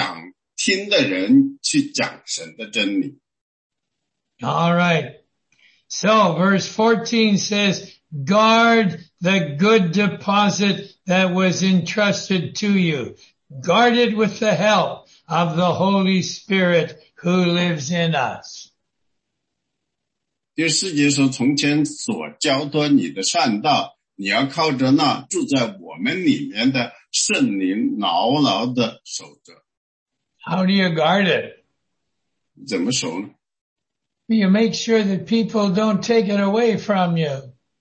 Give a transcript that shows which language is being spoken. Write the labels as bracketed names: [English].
[Chinese] 所以我们要一直向那些任何一个想听的人去讲神的真理。 [English] All right. So verse 14 says, guard the good deposit that was entrusted to you. Guard it with the help of the Holy Spirit who lives in us. [Chinese] 第四节说，从前所交托你的善道，你要靠着那住在我们里面的圣灵牢牢地守着。 [English] How do you guard it? [Chinese] 怎么守呢？ [English] You make sure that people don't take it away from you.